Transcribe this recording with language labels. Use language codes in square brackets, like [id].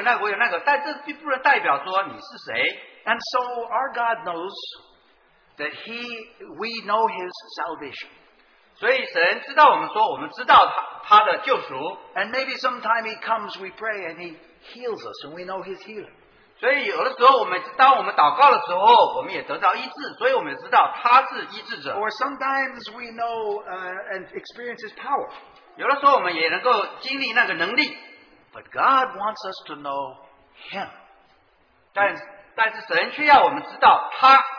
[zh] 所以这些日子，我们有时候问说你是谁，人家就说我有这个，我有那个，但这并不能代表说你是谁。 [en] And so our God knows that we know his salvation. [zh] 所以神知道我们说我们知道他的救赎。 [en] And maybe sometime he comes, we pray, and he heals us, and we know his healing. [zh] 所以有的时候我们当我们祷告的时候，我们也得到医治，所以我们知道他是医治者。 [en] Or sometimes we know and experience his power. [zh] 有的时候我们也能够经历那个能力。 [en] But God wants us to know him. [zh] 但是神却要我们知道他。